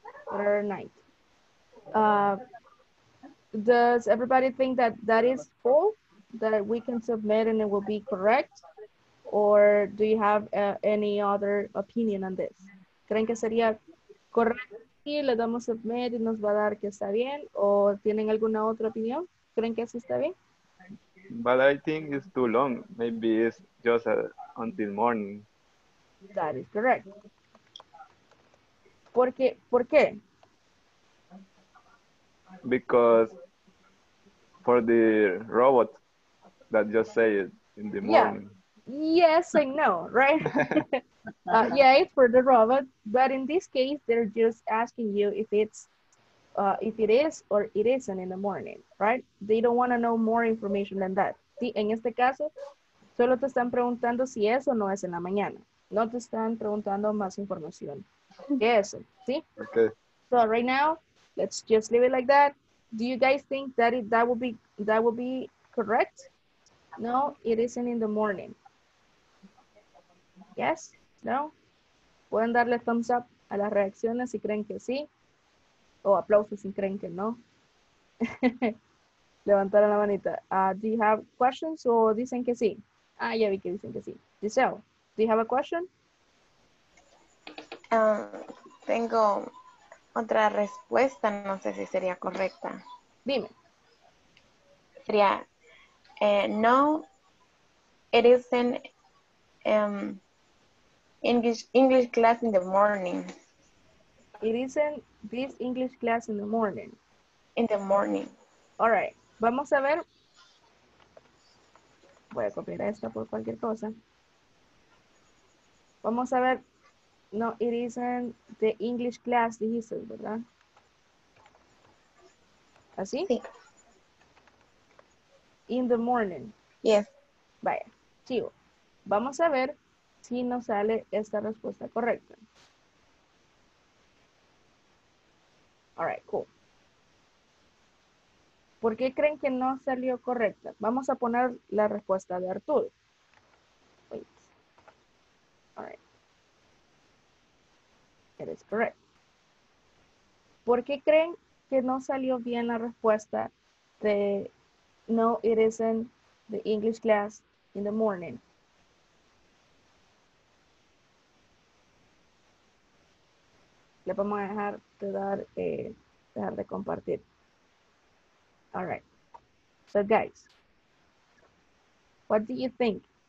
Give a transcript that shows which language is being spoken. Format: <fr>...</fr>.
<en>There are night. Does everybody think that that is full? That we can submit and it will be correct? Or do you have any other opinion on this?</en> <es>¿Creen que sería correcto? Y le damos submit y nos va a dar que está bien. ¿O tienen alguna otra opinión? ¿Creen que eso está bien?</es> <en>But I think it's too long. Maybe it's just until morning. That is correct.</en> <es>Porque, ¿por qué?</es> <en>Because for the robot that just say it in the morning. Yeah. Yes and no, right? yeah, it's for the robot. But in this case, they're just asking you if it's if it is or it isn't in the morning, right? They don't want to know more information than that.</en> <es>Sí, en este caso, solo te están preguntando si es o no es en la mañana. No te están preguntando más información. ¿Qué es eso? ¿Sí?</es> <en>Okay. So right now, let's just leave it like that. Do you guys think that it, that will be correct? No, it isn't in the morning. Yes? No?</en> <es>Pueden darle thumbs up a las reacciones si creen que sí. O aplausos si creen que no. Levantaron la manita.</es> <en>Do you have questions</en> <es>o dicen que sí? Ah, ya vi que dicen que sí.</es> <en>Giselle, do you have a question?</en> <es>Tengo otra respuesta. No sé si sería correcta. Dime.</es> <en>Sería, no, it isn't English class in the morning. It isn't this English class in the morning. In the morning. All right.</en> <es>Vamos a ver, voy a copiar esta por cualquier cosa. Vamos a ver,</es> <en>no, it isn't the English class,</en> <es>dijiste, ¿verdad? ¿Así? Sí.</es> <en>In the morning. Yes.</en> <es>Vaya, chivo. Vamos a ver si nos sale esta respuesta correcta.</es> <en>All right, cool.</en> <es>¿Por qué creen que no salió correcta? Vamos a poner la respuesta de Arturo.</es> <en>Wait. All right. It is correct.</en> <es>¿Por qué creen que no salió bien la respuesta de</es> <en>no, it isn't the English class in the morning?</en> <es>Le vamos a dejar de dar, dejar de compartir.</es> <en>All right, so guys, what do you think?</en>